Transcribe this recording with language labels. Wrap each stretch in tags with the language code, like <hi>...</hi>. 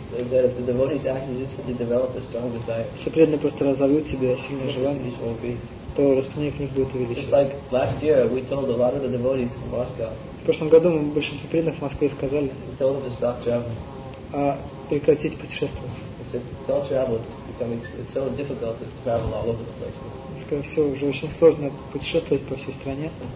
<en>The devotees actually just to develop a strong desire.</en> <ru>Если преданные просто разовьют себе сильное желание, то распространение книг будет увеличиваться.</ru> <en>Just like last year, we told a lot of the devotees in Moscow.</en> <ru>В прошлом году мы большинство преданных в Москве сказали.</ru> <en>We told them to stop traveling.</en> <ru>А прекратить путешествовать.</ru> <en>I said, don't travel. It's becoming it's so difficult to travel all over the place.</en> <ru>Сказали, все уже очень сложно путешествовать по всей стране.</ru>